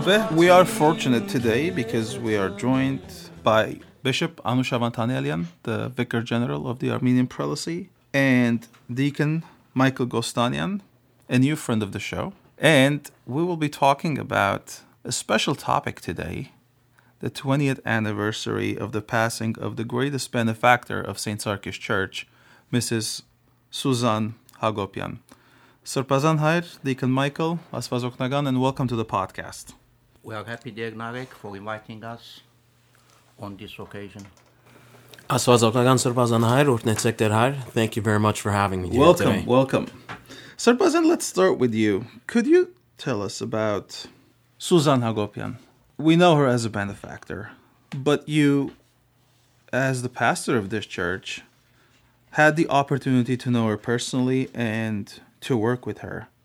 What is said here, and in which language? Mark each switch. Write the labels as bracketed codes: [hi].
[en] We are fortunate today because we are joined by Bishop Anush Avantanelian, the Vicar General of the Armenian Prelacy, and Deacon Michael Gostanian, a new friend of the show. And we will be talking about a special topic today, the 20th anniversary of the passing of the greatest benefactor of St. Sarkis Church, Mrs. Susan Hagopian. [hy] Սրբազան հայր, [en] Deacon Michael, [hy] աստված օգնական, [en] and welcome to the podcast. We are happy, Der Narek, for inviting us on this occasion. [hy] Աստված օգնական, սրբազան հայր, օրհնեցեք Ձեր հայր. [en] Thank you very much for having me today. Welcome, welcome. Սրբազան, let's start with you. Could you tell us about Susan Hagopian? We know her as a benefactor, but you, as the pastor of this church, had the opportunity to know her personally and to work with her.